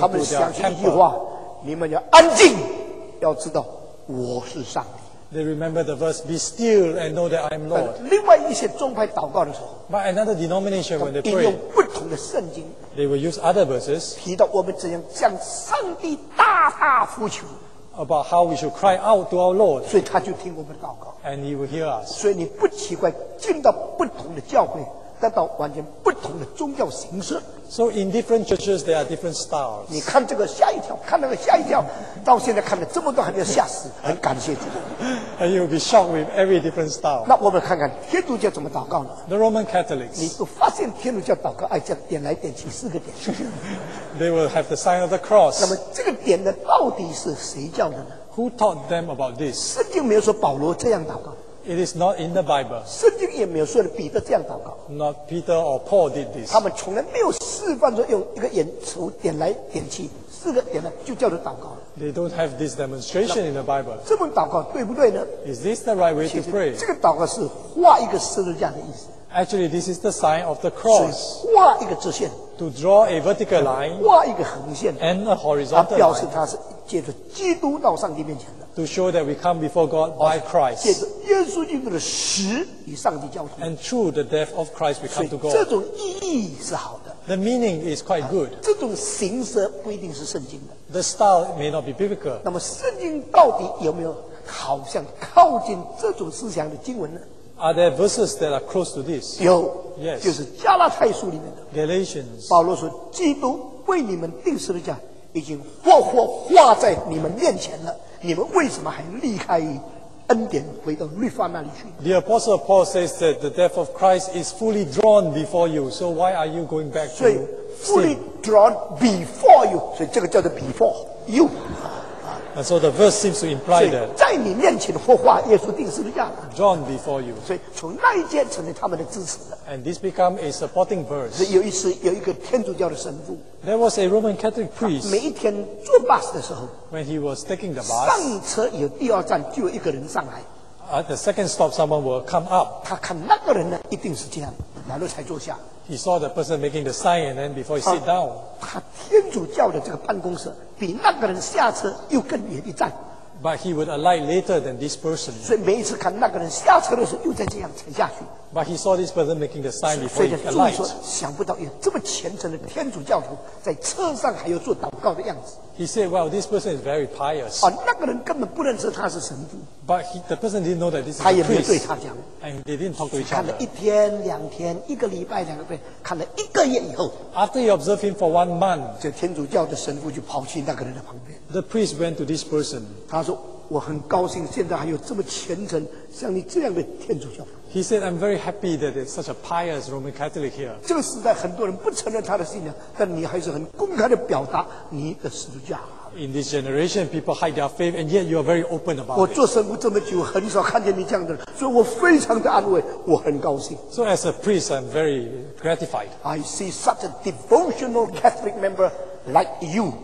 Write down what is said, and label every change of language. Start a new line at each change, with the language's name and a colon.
Chinese: 他们想一句话，你们要安静，要知道。我是上帝。
English: They remember the verse, "Be still and know that I am Lord."
Chinese: 另外一些宗派祷告的时候
English: ，But another denomination when they pray,
Chinese: 引用不同的圣经
English: ，They will use other verses.
Chinese: 提到我们怎样向上帝大大呼求
English: ，About how we should cry out to our Lord.
Chinese: 所以他就听我们的祷告
English: ，And he will hear us.
Chinese: 所以你不奇怪进到不同的教会，得到完全不同的宗教形式。
English: So in different churches, there are different styles.
Chinese: 你看这个吓一跳，看那个吓一跳，到现在看了这么多还没有吓死，很感谢主。
English: And you'll be shocked with every different style.
Chinese: 那我们看看天主教怎么祷告呢？
English: The Roman Catholics.
Chinese: 你都发现天主教祷告爱这样点来点去四个点。
English: They will have the sign of the cross.
Chinese: 那么这个点呢，到底是谁教的呢？
English: Who taught them about this?
Chinese: 圣经没有说保罗这样祷告。
English: It is not in the Bible.
Chinese: 圣经也没有说彼得这样祷告。
English: Not Peter or Paul did this.
Chinese: 他们从来没有示范说用一个眼球点来点去，四个点呢就叫做祷告。
English: They don't have this demonstration in the Bible.
Chinese: 这么祷告对不对呢？
English: Is this the right way to pray?
Chinese: 这个祷告是画一个十字架的意思。
English: Actually, this is the sign of the cross.
Chinese: 画一个直线。
English: To draw a vertical line.
Chinese: 画一个横线。
English: And a horizontal line.
Chinese: 它表示它是借着基督到上帝面前的。
English: To show that we come before God by Christ.
Chinese: 借着耶稣基督的死与上帝交通。
English: And through the death of Christ, we come to God.
Chinese: 这种意义是好的。
English: The meaning is quite good.
Chinese: 这种形式不一定是圣经的。
English: The style may not be biblical.
Chinese: 那么圣经到底有没有好像靠近这种思想的经文呢？
English: Are there verses that are close to this?
Chinese: 有。
English: Yes.
Chinese: 就是加拉太书里面的。
English: Galatians.
Chinese: 保罗说，基督为你们钉十字架，已经活活画在你们面前了。你们为什么还离开恩典回到律法那里去？
English: The Apostle Paul says that the death of Christ is fully drawn before you. So why are you going back to sin? Fully drawn before you.
Chinese: 所以这个叫做
English: before you. And so the verse seems to imply that.
Chinese: 在你面前活化耶稣钉十字架。
English: Drawn before you.
Chinese: 所以从那一天成为他们的支持的。
English: And this become a supporting verse.
Chinese: 有一次有一个天主教的神父。
English: There was a Roman Catholic priest.
Chinese: 每一天坐 bus 的时候。
English: When he was taking the bus.
Chinese: 上车有第二站就有一个人上来。
English: At the second stop, someone will come up.
Chinese: 他看那个人呢，一定是这样，然后才坐下。
English: He saw the person making the sign, and then before he sit down.
Chinese: 他天主教的这个办公室比那个人下车又更远一站。
English: But he would alight later than this person.
Chinese: 所以每一次看那个人下车的时候，又再这样踩下去。
English: But he saw this person making the sign before he alights.
Chinese: 想不到有这么虔诚的天主教徒在车上还有做祷告的样子。
English: He said, "Well, this person is very pious."
Chinese: 啊，那个人根本不认识他是神父。
English: But he, the person didn't know that this is a priest.
Chinese: 他也没对他讲。
English: And they didn't talk to each other.
Chinese: 看了一天、两天、一个礼拜、两个礼拜，看了一个月以后。
English: After he observed him for 1 month,
Chinese: 这天主教的神父就跑去那个人的旁边。
English: The priest went to this person.
Chinese: 他说。我很高兴现在还有这么虔诚像你这样的天主教徒。
English: He said, I'm very happy that there's such a pious Roman Catholic here.
Chinese: 这个时代很多人不承认他的信仰，但你还是很公开的表达你的十字架。
English: In this generation, people hide their faith, and yet you are very open about it.
Chinese: 我做神父这么久，很少看见你这样的人，所以我非常的安慰，我很高兴。
English: So as a priest, I'm very gratified. I see such a devotional Catholic member like you.